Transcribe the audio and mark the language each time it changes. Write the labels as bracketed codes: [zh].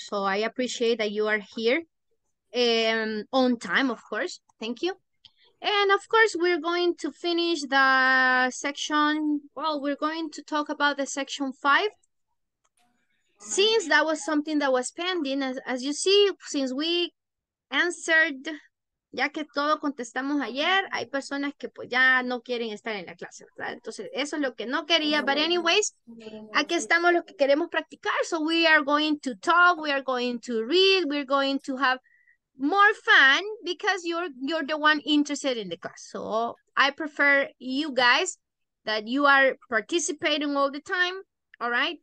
[en] So I appreciate that you are here on time, of course. Thank you. And of course, we're going to finish the section. Well, we're going to talk about the section 5. Since that was something that was pending, as you see, since we answered... [es] Ya que todo contestamos ayer, hay personas que pues ya no quieren estar en la clase, ¿verdad? Entonces, eso es lo que no quería. [en] But anyways, [es] aquí estamos los que queremos practicar. [en] So we are going to talk, we are going to read, we're going to have more fun because you're the one interested in the class. So I prefer you guys that you are participating all the time, all right?